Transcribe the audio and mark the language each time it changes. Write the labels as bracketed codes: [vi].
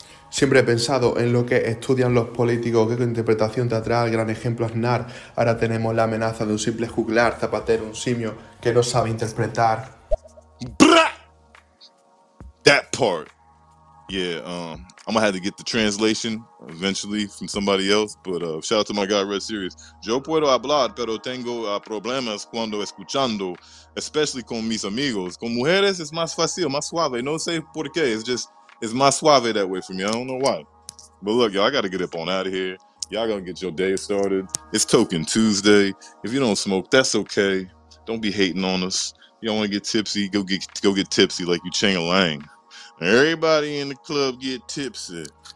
[es] Siempre he pensado en lo que estudian los políticos, que con interpretación teatral, gran ejemplo Aznar. Ahora tenemos la amenaza de un simple juglar, zapatero, un simio, que no sabe interpretar. ¡Bra! [en] That part, yeah, I'm going to have to get the translation eventually from somebody else, but shout out to my guy, Red Serious. [es] Yo puedo hablar, pero tengo problemas cuando escuchando, [en] especially [es] con mis amigos. Con mujeres es más fácil, más suave. No sé por qué. [en] It's just, it's [es] más suave [en] that way for me. I don't know why. But look, y'all, I got to get up on out of here. Y'all going to get your day started. It's Token Tuesday. If you don't smoke, that's okay. Don't be hating on us. Y'all want to get tipsy, go get tipsy like you Chang-a-Lang. Everybody in the club get tipsy.